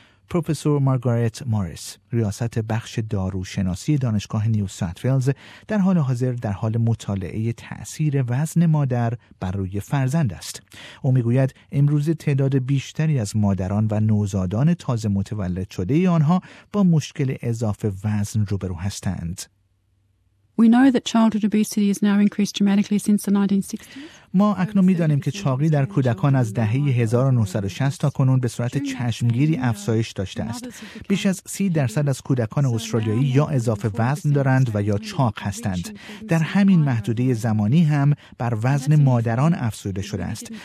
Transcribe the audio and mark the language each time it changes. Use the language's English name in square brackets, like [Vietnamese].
[Persian] پروفسور مارگاریت موریس، ریاست بخش داروشناسی دانشگاه نیو ساوت ویلز، در حال حاضر در حال مطالعه تأثیر وزن مادر بر روی فرزند است. او میگوید امروز تعداد بیشتری از مادران و نوزادان تازه متولد شده آنها با مشکل اضافه وزن روبرو هستند. [English] We know that childhood obesity has now increased dramatically since the 1960s. [Persian] ما اکنون می‌دانیم که چاقی در کودکان از دهه 1960 تا کنون به صورت چشمگیری افزایش داشته است. بیش از 30% از کودکان استرالیایی یا اضافه وزن دارند و یا چاق هستند. در همین محدوده زمانی هم بر وزن مادران افزوده شده است.